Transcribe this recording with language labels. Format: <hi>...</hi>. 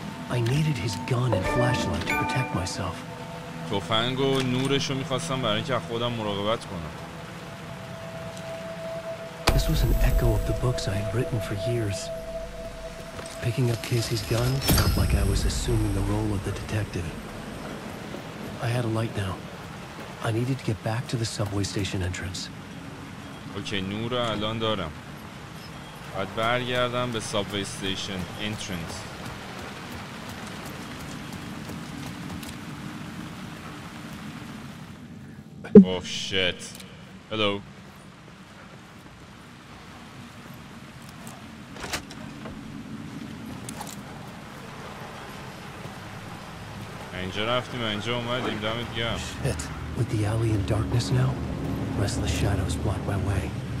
<en>I needed his gun and flashlight to protect myself.</en> <fa>تفنگ و نورش رو می‌خواستم برای اینکه از خودم مراقبت کنم.</fa> <en>This was an echo of the books I had written for years. Picking up Casey's gun felt like I was assuming the role of the detective. I had a light now. I needed to get back to the subway station entrance.</en> <fa>اوکی نور رو الان دارم. باید برگردم به سابوی ستیشن انترنس. اوه شیت. هلو اینجا رفتیم اینجا اومدیم دمت گرم. شیت.</fa> <en>With the alley in darkness now, rest of the shadows block my way.</en>